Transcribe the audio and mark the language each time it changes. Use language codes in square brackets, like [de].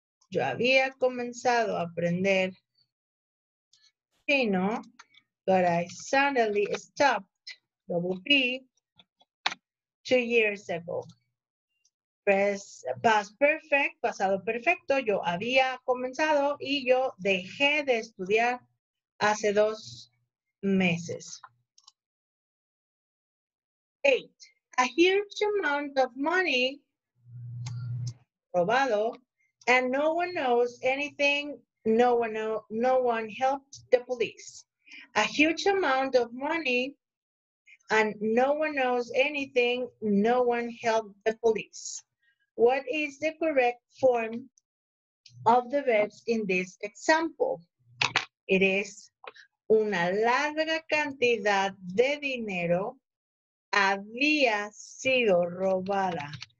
[es] Yo había comenzado a aprender chino, [en] but I suddenly stopped, double P, 2 years ago. [es] Past perfect, pasado perfecto, yo había comenzado y yo dejé de estudiar hace 2 meses. 8. [en] A huge amount of money robado and no one knows anything, no one helped the police. A huge amount of money and no one knows anything, no one helped the police. What is the correct form of the verbs in this example? It is [es] una larga cantidad de dinero había sido robada.